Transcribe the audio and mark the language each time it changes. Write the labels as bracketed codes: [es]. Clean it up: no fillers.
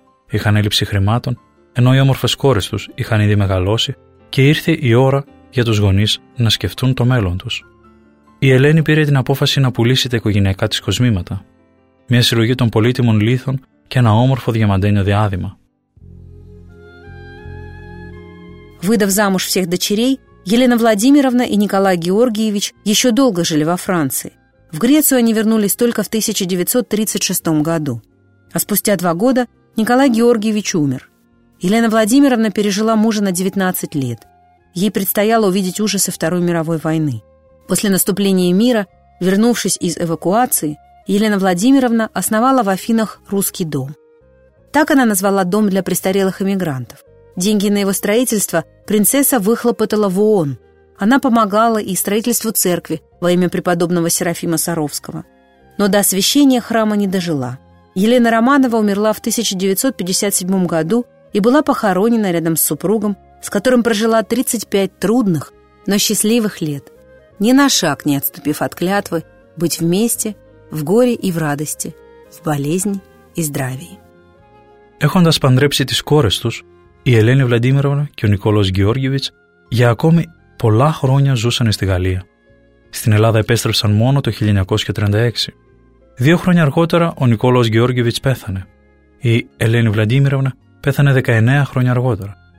[el] Είχαν έλλειψη χρημάτων, ενώ οι όμορφες κόρες τους είχαν ήδη μεγαλώσει και ήρθε η ώρα για τους γονείς να σκεφτούν το μέλλον τους. Η Ελένη πήρε την απόφαση να πουλήσει τα οικογενειακά της κοσμήματα, μια συλλογή των πολύτιμων λίθων και ένα όμορφο διαμαντένιο διάδημα. [ru] Выдав замуж всех дочерей, Елена Владимировна и Николай Георгиевич еще долго жили во Франции. В Грецию они вернулись только в 1936 году. А спустя два года Николай Георгиевич умер. Елена Владимировна пережила мужа на 19 лет. Ей предстояло увидеть ужасы Второй мировой войны. После наступления мира, вернувшись из эвакуации, Елена Владимировна основала в Афинах русский дом. Так она назвала дом для престарелых эмигрантов. Деньги на его строительство принцесса выхлопотала в ООН. Она помогала и строительству церкви во имя преподобного Серафима Саровского. Но до освящения храма не дожила. Елена Романова умерла в 1957 году и была похоронена рядом с супругом, с которым прожила 35 трудных, но счастливых лет, ни на шаг не отступив от клятвы быть вместе в горе и в радости, в болезни и здравии. [el] Έχοντας παντρέψει τις κόρες τους, η Ελένη Βλαντίμηρωνα και ο Νικόλος Γεώργιεβιτς για ακόμη πολλά χρόνια ζούσαν στη Γαλλία. Στην Ελλάδα επέστρεψαν μόνο το 1936. Δύο χρόνια αργότερα ο Νικόλος Γεώργιεβιτς πέθανε. Η Ελένη Βλαντίμηρωνα πέθανε 19 χρόνια αργότερα.